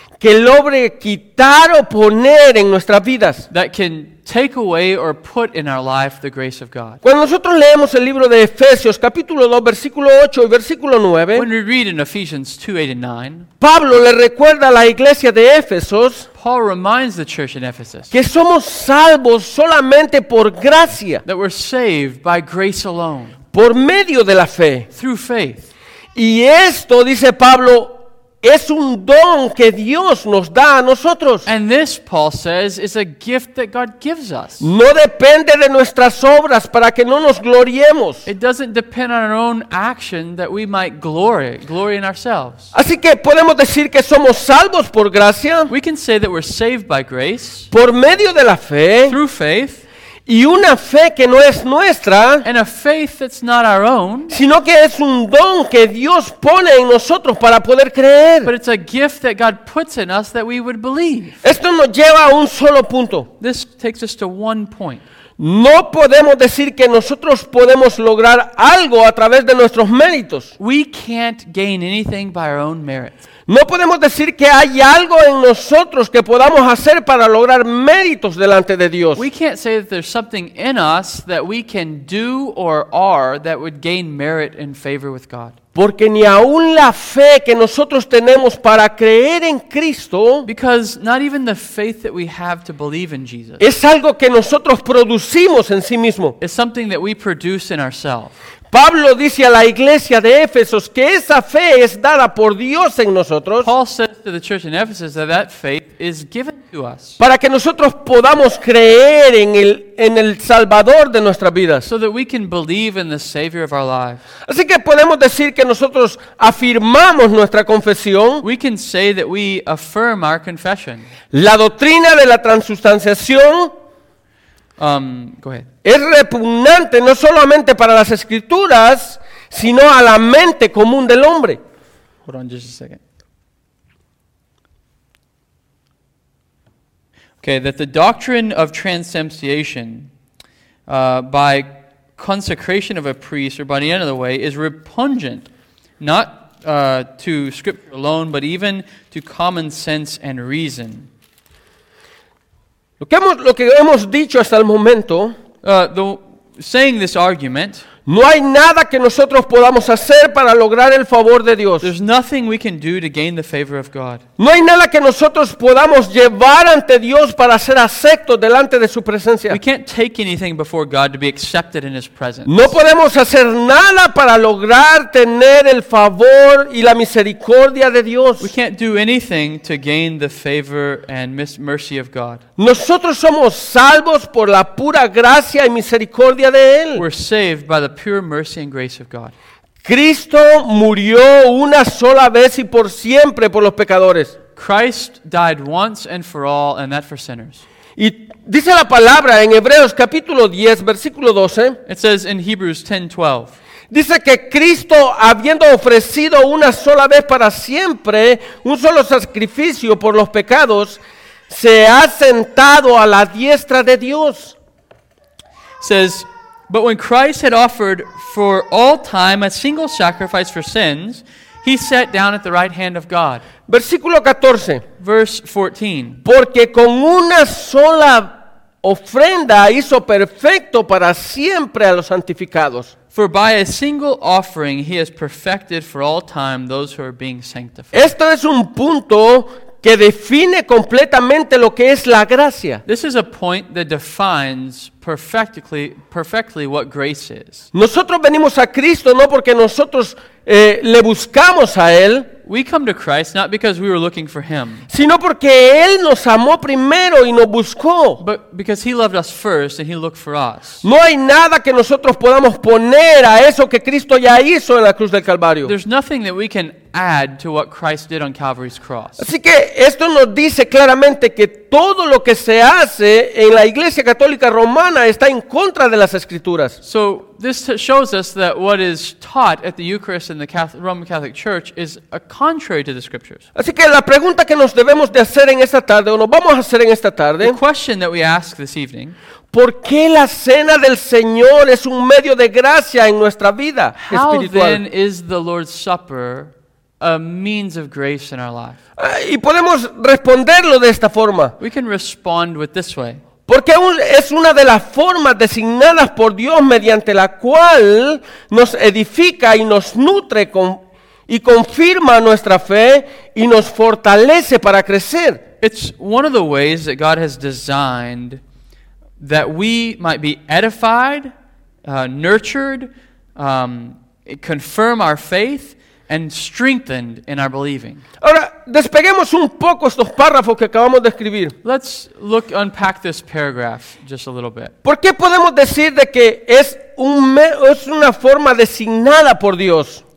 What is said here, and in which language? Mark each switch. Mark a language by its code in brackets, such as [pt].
[es] Que logre quitar o poner en nuestras vidas. [en] That can take away or put in our life the grace of God. [es] Cuando nosotros leemos el libro de Efesios, capítulo 2, versículo 8 y versículo 9. [en] When we read in Ephesians 2, 8 and 9. [es] Pablo le recuerda a la iglesia de Éfesos. [en] Paul reminds the church in Ephesus. [es] Que somos salvos solamente por gracia. [en] That we're saved by grace alone. [es] Por medio de la fe. [en] Through faith. [es] Y esto, dice Pablo, es un don que Dios nos da a nosotros. [en] And this, Paul says, is a gift that God gives us. [es] No depende de nuestras obras para que no nos gloriemos. [en] It doesn't depend on our own action that we might glory in ourselves. [es] Así que podemos decir que somos salvos por gracia. [en] We can say that we're saved by grace. [es] Por medio de la fe. [en] Through faith. [es] Y una fe que no es nuestra, [en] and a faith that's not our own, [es] sino que es un don que Dios pone en nosotros para poder creer. [en] But it's a gift that God puts in us that we would believe. [es] Esto nos lleva a un solo punto. [en] This takes us to one point. [es] No podemos decir que nosotros podemos lograr algo a través de nuestros méritos. [en] We can't gain anything by our own merits. [es] No podemos decir que hay algo en nosotros que podamos hacer para lograr méritos delante de Dios. [en] We can't say that there's something in us that we can do or are that would gain merit and favor with God. [es] Porque ni aun la fe que nosotros tenemos para creer en Cristo, [en] because not even the faith that we have to believe in Jesus, [es] es algo que nosotros producimos en sí mismo. [en] It's something that we produce in ourselves. [es] Pablo dice a la iglesia de Éfesos que esa fe es dada por Dios en nosotros. [en] Paul says to the church in Ephesus that that faith is given to us. [es] Para que nosotros podamos creer en el Salvador de nuestras vidas. [en] So that we can believe in the Savior of our lives. [es] Así que podemos decir que nosotros afirmamos nuestra confesión. [en] We can say that we affirm our confession. [es] La doctrina de la transustanciación. [en] Go ahead. [es] Es repugnante no solamente para las escrituras, sino a la mente común del hombre. [en] Hold on just a second. Okay, that the doctrine of transubstantiation by consecration of a priest or by any other way is repugnant, not to scripture alone, but even to common sense and reason. [es] Lo que hemos dicho hasta el momento, [en] saying this argument, [es] no hay nada que nosotros podamos hacer para lograr el favor de Dios. [en] There's nothing we can do to gain the favor of God. [es] No hay nada que nosotros podamos llevar ante Dios para ser aceptos delante de su presencia. [en] We can't take anything before God to be accepted in his presence. [es] No podemos hacer nada para lograr tener el favor y la misericordia de Dios. [en] We can't do anything to gain the favor and mercy of God. [es] Nosotros somos salvos por la pura gracia y misericordia de él. [en] We're saved by the pure mercy and grace of God. [es] Cristo murió una sola vez y por siempre por los pecadores. [en] Christ died once and for all, and that for sinners. [es] Y dice la palabra en Hebreos capítulo 10 versículo 12. [en] It says in Hebrews 10:12. [es] Dice que Cristo, habiendo ofrecido una sola vez para siempre un solo sacrificio por los pecados, se ha sentado a la diestra de Dios. [en] Says, but when Christ had offered for all time a single sacrifice for sins, he sat down at the right hand of God. [es] Versículo 14. [en] Verse 14. [es] Porque con una sola ofrenda hizo perfecto para siempre a los santificados. [en] For by a single offering he has perfected for all time those who are being sanctified. [es] Esto es un punto que define completamente lo que es la gracia. [en] This is a point that defines perfectly what grace is. [es] Nosotros venimos a Cristo no porque nosotros le buscamos a él. [en] We come to Christ not because we were looking for him, [es] sino porque él nos amó primero y nos buscó. [en] But because he loved us first and he looked for us. [es] No hay nada que nosotros podamos poner a eso que Cristo ya hizo en la cruz del Calvario. [en] There's nothing that we can add to what Christ did on Calvary's cross. [es] Así que esto nos dice claramente que todo lo que se hace en la Iglesia Católica Romana está en contra de las Escrituras. [en] So this shows us that what is taught at the Eucharist in the Roman Catholic Church is a contrary to the Scriptures. [es] Así que la pregunta que nos debemos de hacer en esta tarde, o nos vamos a hacer en esta tarde, [en] the question that we ask this evening, [es] ¿por qué la cena del Señor es un medio de gracia en nuestra vida espiritual? [en] How then is the Lord's Supper a means of grace in our life? [es] Y podemos responderlo de esta forma. [en] We can respond with this way. [es] Porque es una de las formas designadas por Dios mediante la cual nos edifica y nos nutre y confirma nuestra fe y nos fortalece para crecer. [en] It's one of the ways that God has designed that we might be edified, nurtured, confirm our faith, and strengthened in our believing. [es] Ahora, despeguemos un poco estos párrafos que acabamos de escribir. [en] Let's look, unpack this paragraph just a little bit. [es] ¿Por qué podemos decir de que es una forma designada por Dios?